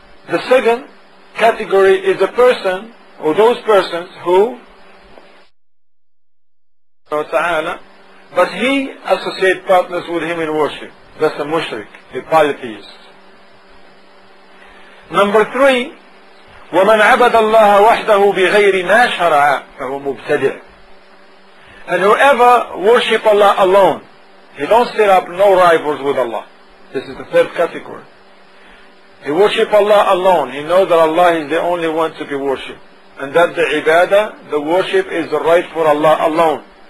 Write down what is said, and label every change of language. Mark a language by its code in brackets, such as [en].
[en] The second category is a person, or those persons who, but he associates partners with him in worship. That's a mushrik, a polytheist. Number three, [ar] وَمَنْ عَبَدَ اللَّهَ وَحْدَهُ بِغَيْرِ مَا شَرَعَ فَهُ مُبْتَدِعُ. [en] And whoever worship Allah alone, he don't set up no rivals with Allah. This is the third category. He worship Allah alone. He knows that Allah is the only one to be worshipped. And that the ibadah, the worship is the right for Allah alone.